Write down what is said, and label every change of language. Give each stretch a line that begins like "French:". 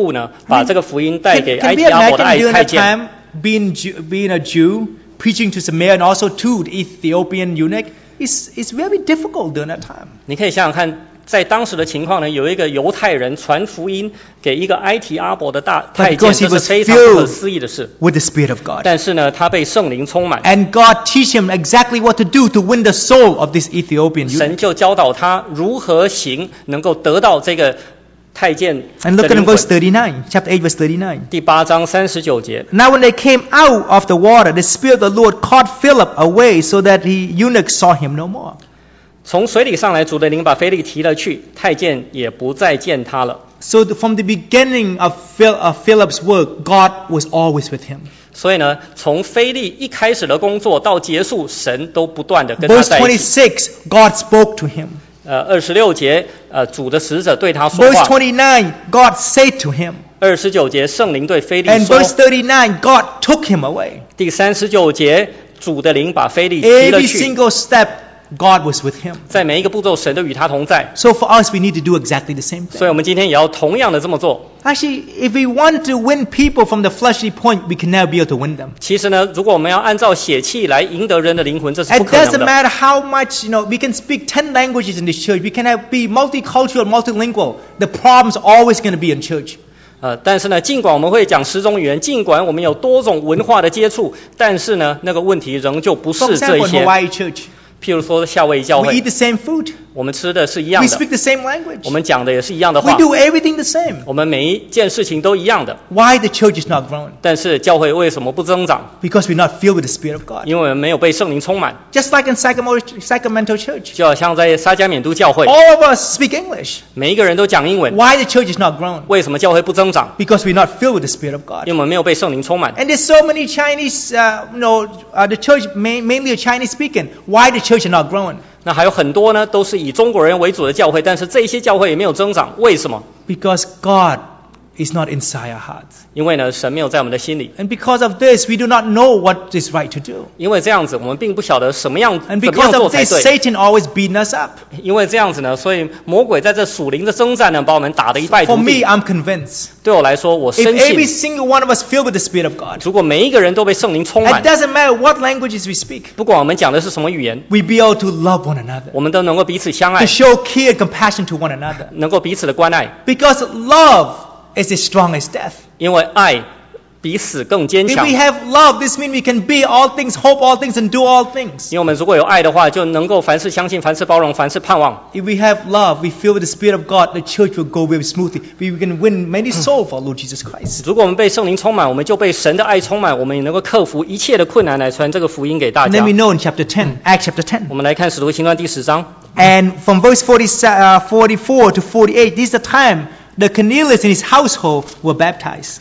Chinese: 我们从这边可以看到呢，圣灵带领腓力每一个脚步呢，把这个福音带给埃及亚伯的太监。
English: Can we imagine during that time being a Jew preaching to Samaria and also to the Ethiopian eunuch? It's very difficult during that time.
Chinese: 你可以想想看。在当时的情况呢，有一个犹太人传福音给一个埃提阿伯的大太监，这是非常不可思议的事。
English: With the Spirit of God.
Chinese: 但是呢，他被圣灵充满。
English: And God teach him exactly what to do to win the soul of this Ethiopian eunuch.
Chinese: 神就教导他如何行，能够得到这个。
English: And look at verse 39, chapter 8, verse 39.
Chinese: 第八章39节.
English: Now when they came out of the water, the Spirit of the Lord caught Philip away so that the eunuch saw him no more.
Chinese: 从水里上来主的灵把腓力提了去, 太监也不再见他了。
English: So from the beginning of Philip's work, God was always with him.
Chinese: 所以呢, 从腓力一开始的工作到结束, 神都不断地跟他在一起。
English: Verse 26, God spoke to him.
Chinese: 26节, 主的使者对他说话。
English: Verse 29, God said to him.
Chinese: 29节, 圣灵对腓力说,
English: and verse 39, God took him away.
Chinese: 第39节, 主的灵把腓力提了去。
English: Every single step, God was with him.
Chinese: 在每一个步骤, 神都与他同在。
English: So for us, we need to do exactly the same thing.
Chinese: 所以我们今天也要同样的这么做。
English: Actually, if we want to win people from the fleshly point, we can never be able to win them.
Chinese: 其实呢, 如果我们要按照血气来赢得人的灵魂, 这是不可能的。
English: It doesn't matter how much, you know, we can speak 10 languages in this church, we can be multicultural, multilingual, the problem's always going to be in church.
Chinese: 但是呢, 尽管我们会讲十种语言, 尽管我们有多种文化的接触, 但是呢, 那个问题仍旧不是这些。
English: For example, in Hawaii Church,
Chinese: 譬如说教会教会,
English: we eat the same food.
Chinese: 我们吃的是一样的,
English: we speak the same language.
Chinese: 我们讲的也是一样的话,
English: we do everything the same.
Chinese: 我们每一件事情都一样的,
English: why the church is not grown?
Chinese: 但是教会为什么不增长?
English: Because we're not filled with the Spirit of God.
Chinese: 因为我们没有被圣灵充满,
English: just like in Sacramento Church.
Chinese: 就好像在撒迦缅都教会,
English: all of us speak English.
Chinese: 每一个人都讲英文,
English: why the church is not grown?
Chinese: 为什么教会不增长?
English: Because we're not filled with the Spirit of God.
Chinese: 因为我们没有被圣灵充满,
English: and there's so many Chinese, the church mainly are Chinese speaking. Why the church is not growing?
Chinese: 那还有很多呢, 都是以中国人为主的教会, 但是这些教会也没有增长, 为什么?
English: Because God is not inside our hearts.
Chinese: 因为呢, 神没有在我们的心里。
English: And because of this, we do not know what is right to do.
Chinese: 因为这样子, 我们并不晓得什么样,
English: and because of this, Satan always beating us up.
Chinese: 因为这样子呢, 所以魔鬼在这属灵的征战呢, 把我们打得一败涂地。
English: For me, I'm convinced.
Chinese: 对我来说, 我深信,
English: if every single one of us filled with the Spirit of God,
Chinese: 如果每一个人都被圣灵充满,
English: it doesn't matter what languages we speak,
Chinese: 不管我们讲的是什么语言,
English: we be able to love one another,
Chinese: 我们都能够彼此相爱,
English: to show care and compassion to one another,
Chinese: 能够彼此的关爱,
English: because love is as strong as death.
Chinese: 因为爱比死更坚强,
English: if we have love, this means we can be all things, hope all things, and do all things.
Chinese: 因为我们如果有爱的话, 就能够凡事相信, 凡事包容, 凡事盼望,
English: if we have love, we feel with the Spirit of God, the church will go very smoothly. We can win many souls for Lord Jesus Christ.
Chinese: 如果我们被圣灵充满, 我们就被神的爱充满, 我们也能够克服一切的困难, 来传这个福音给大家。
English: Let me know in chapter 10, Acts chapter 10.
Chinese: 我们来看使徒行传第十章。
English: And from verse 44 to 48, this is the time the Cornelius and his household were baptized.